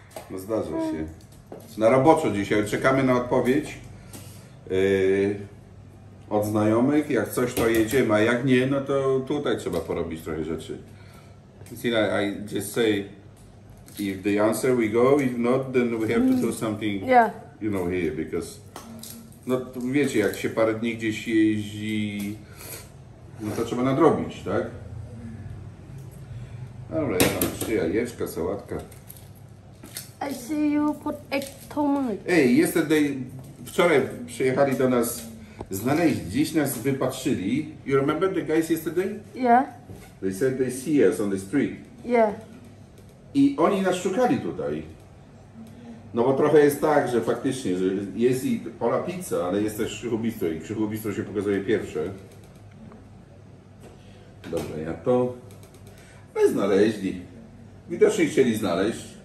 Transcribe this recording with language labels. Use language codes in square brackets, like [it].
[pl] No zdarza się. Na roboczo dzisiaj. Czekamy na odpowiedź. Od znajomych, jak coś to jedziemy, a jak nie, no to tutaj trzeba porobić trochę rzeczy. [en] See, I just say, if the answer we go, if not, then we have to do something, yeah. You know, here, because... [pl] No, wiecie, jak się parę dni gdzieś jeździ, no to trzeba nadrobić, tak? Dobra, ja mam jeszcze jajeczka, sałatka. [en] I see you put egg too much. [pl] Ej, [en] yesterday, [pl] wczoraj przyjechali do nas... Znaleźli, gdzieś nas wypatrzyli. [en] You remember the guys yesterday? Yeah. They said they see us on the street. Yeah. [pl] I oni nas szukali tutaj. No bo trochę jest tak, że faktycznie, że jest i Pola Pizza, ale jest też Krzychubistro i Krzychubistro się pokazuje pierwsze. Dobrze, ja to... My znaleźli. Widocznie chcieli znaleźć.